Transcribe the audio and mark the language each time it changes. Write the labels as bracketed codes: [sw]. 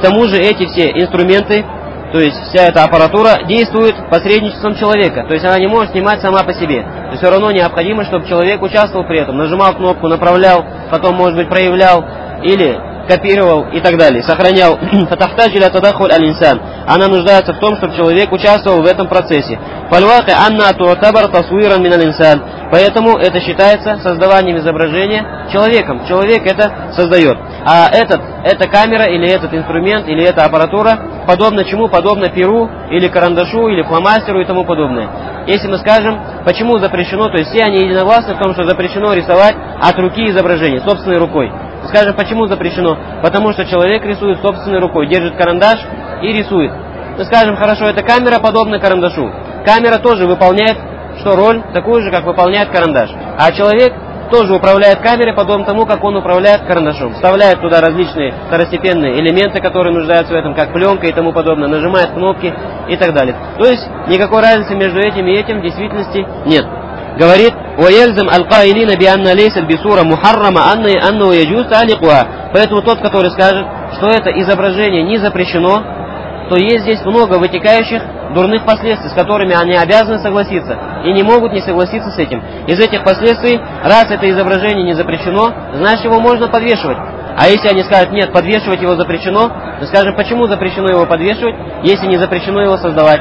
[ru] тому же эти все инструменты, то есть вся эта аппаратура действует посредничеством человека, то есть она не может снимать сама по себе. Но все равно необходимо, чтобы человек участвовал при этом, нажимал кнопку, направлял, потом, может быть, проявлял или копировал и так далее, сохранял. [ar] فتحتاج الى تدخل الانسان. [ru] Она нуждается в том, чтобы человек участвовал в этом процессе. [ar] فالواقع انها تعتبر تصويرا من الانسان. [ru] Поэтому это считается создаванием изображения человеком. Человек это создает. А эта камера или этот инструмент или эта аппаратура подобно чему? Подобно перу или карандашу или фломастеру и тому подобное. Если мы скажем, почему запрещено, то есть все они единогласны в том, что запрещено рисовать от руки изображение собственной рукой. Скажем, почему запрещено? Потому что человек рисует собственной рукой, держит карандаш и рисует. Мы скажем, хорошо, это камера подобна карандашу. Камера тоже выполняет что роль такую же, как выполняет карандаш. А человек тоже управляет камерой, подобно тому, как он управляет карандашом. Вставляет туда различные второстепенные элементы, которые нуждаются в этом, как пленка и тому подобное, нажимает кнопки и так далее. То есть никакой разницы между этим и этим в действительности нет. Говорит, [ar] وَيَلْزَمْ أَلْقَائِلِينَ بِأَنَّ لَيْسَ الْبِسُورَ مُحَرَّمَ أَنَّهُ يَجُوزُ تَعْلِقُهَا. [ru] Поэтому тот, который скажет, что это изображение не запрещено, то есть здесь много вытекающих дурных последствий, с которыми они обязаны согласиться и не могут не согласиться с этим. Из этих последствий, раз это изображение не запрещено, значит его можно подвешивать. А если они скажут, нет, подвешивать его запрещено, то скажем, почему запрещено его подвешивать, если не запрещено его создавать?